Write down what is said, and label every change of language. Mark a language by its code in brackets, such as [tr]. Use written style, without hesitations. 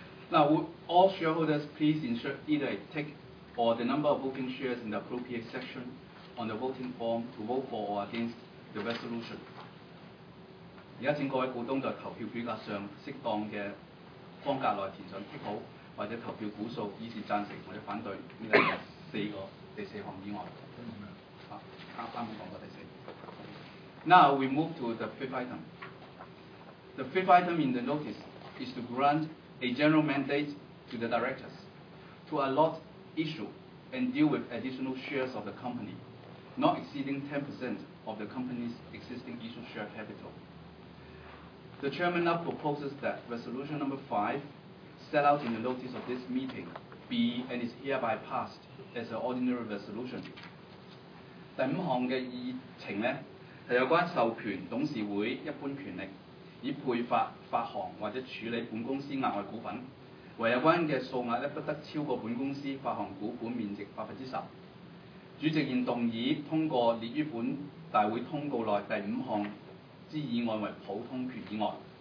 [en] Now, would all shareholders please ensure either a tick or the number of voting shares in the appropriate section on the voting form to vote for or against the resolution? [yue] 而家請各位股東在投票表格上適當嘅方格內填上 tick 好，或者投票股數，以示贊成或者反對呢個第四項議案。啱啱講過第四。 [en] Now we move to the fifth item. The fifth item in the notice is to grant a general mandate to the directors to allot, issue, and deal with additional shares of the company, not exceeding 10% of the company's existing issued share capital. The chairman now proposes that resolution number 5, set out in the notice of this meeting, be and is hereby passed as an ordinary resolution. [yue] 第五項的議程呢，是有關授權董事會一般權力以配發、發行或者處理本公司額外股份，為有關嘅數額不得超過本公司發行股本面值10%。主席現動議通過列於本大會通告內第五項之議案為普通決議案。